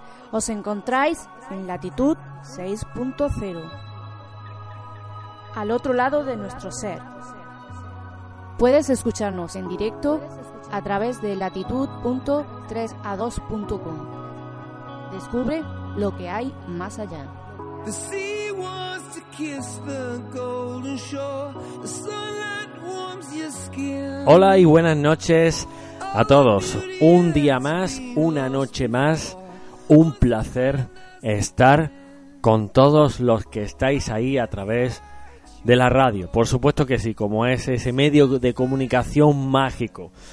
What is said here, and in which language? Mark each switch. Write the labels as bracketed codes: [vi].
[es] Os encontráis en latitud 6.0, al otro lado de nuestro ser. Puedes escucharnos en directo a través de latitud.3a2.com. Descubre lo que hay más allá. [en] The sea wants to kiss the golden shore. The sunlight warms your skin. [es] Hola y buenas noches a todos. Un día más, una noche más. Un placer estar con todos los que estáis ahí a través de la radio. Por supuesto que sí, como es ese medio de comunicación mágico.